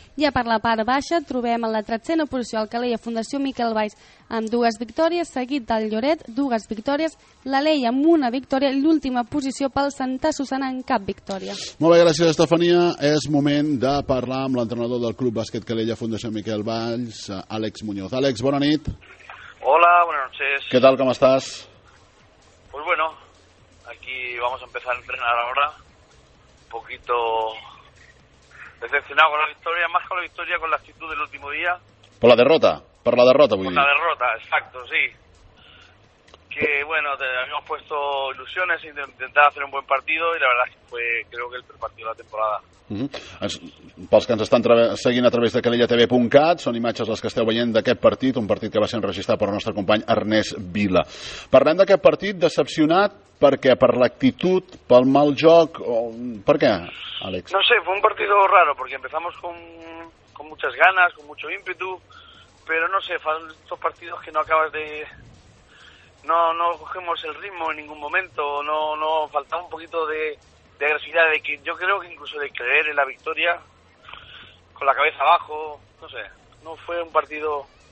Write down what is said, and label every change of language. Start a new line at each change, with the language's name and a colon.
Catalan: Ja per la part baixa trobem en la 13a posició el Calella Fundació Miquel Valls amb 2 victòries, seguit del Lloret, 2 victòries, l'Alei amb 1 victòria i l'última posició pel Santa Susana amb cap victòria. Molt bé, gràcies, Estefania. És moment de parlar amb l'entrenador del Club Bàsquet Calella Fundació Miquel Valls, Àlex Muñoz. Àlex, bona nit.
Spanish: Hola, buenas noches.
Catalan: Què tal, com estàs?
Spanish: Pues bueno, aquí vamos a empezar a entrenar ahora, un poquito decepcionado con la victoria, más con la victoria, con la actitud del último día. Por la derrota, por la derrota, exacto, sí. Que bueno, habíamos puesto ilusiones, intentar hacer un buen partido y la verdad es que fue, creo que el peor partido de la temporada. Uh-huh.
Catalan: Pels que ens estan seguint a través de CalellaTV.cat, són imatges les que esteu veient d'aquest partit, un partit que va ser enregistrat per el nostre company Ernest Vila. Parlem d'aquest partit decepcionat, perquè per l'actitud, pel mal joc, o... per què, Àlex?
Spanish: No sé, fue un partido raro, porque empezamos con muchas ganas, con mucho ímpetu, pero no sé, fan estos partidos que no acabas de... No cogemos el ritmo en ningún momento, no faltaba un poquito de agresividad, de que yo creo que incluso de creer en la victoria, con la cabeza abajo, no sé, no fue un partido...